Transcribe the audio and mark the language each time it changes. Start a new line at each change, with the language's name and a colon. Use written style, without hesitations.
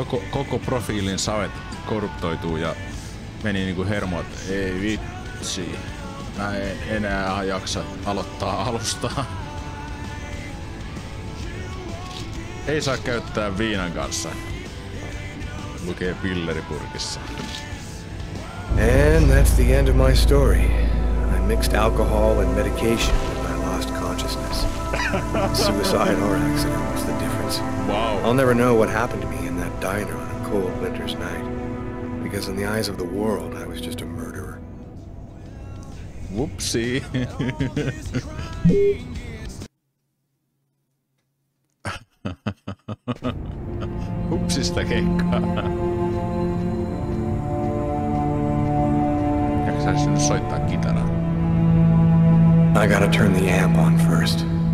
Finnish: Koko profiilin savet korruptoituu ja meni niinku hermo, että ei vitsi, mä en enää jaksa aloittaa alusta. Ei saa käyttää viinan kanssa. Lukee pilleripurkissa.
English: And that's the end of my story. I mixed alcohol and medication and I lost consciousness. Suicide or accident was the difference. Wow. I'll never know what happened to me in that diner on a cold winter's night. Because in the eyes of the world, I was just a murderer. Whoopsie.
Finnish: Hupsista keikkaa. Eikö saisi nyt soittaa kitaraa?
English: I gotta turn the amp on first.